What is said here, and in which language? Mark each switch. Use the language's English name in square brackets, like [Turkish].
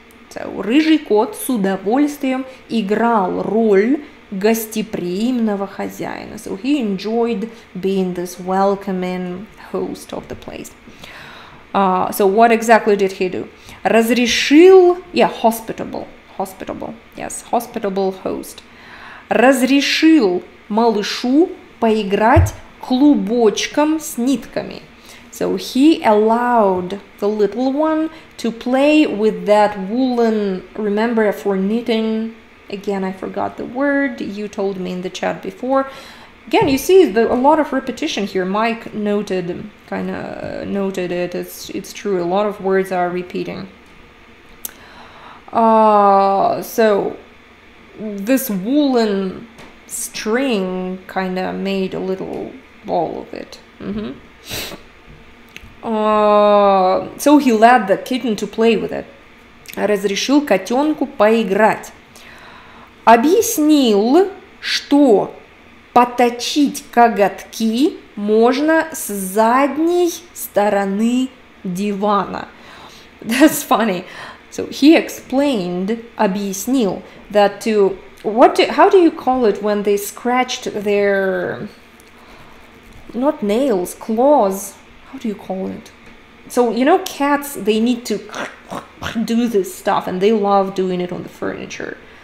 [Russian] So, рыжий кот с удовольствием играл роль гостеприимного хозяина. [English] So, he enjoyed being this welcoming host of the place. So, what exactly did he do? [Russian] Разрешил, [English] yeah, hospitable host. [Russian] Разрешил малышу поиграть клубочком с нитками. [English] So he allowed the little one to play with that woolen, remember, for knitting. Again, I forgot the word. You told me in the chat before. Again, you see a lot of repetition here. Mike noted it. It's true. A lot of words are repeating. So this woolen string kind of made a little ball of it. So he led the kitten to play with it. [Russian] Разрешил котенку поиграть. Объяснил, что поточить коготки можно с задней стороны дивана. [English] That's funny. So he explained, [Russian] объяснил, [English] that to what do, how do you call it when they scratched their not nails, claws? How do you call it? So, you know, cats, they need to do this stuff and they love doing it on the furniture.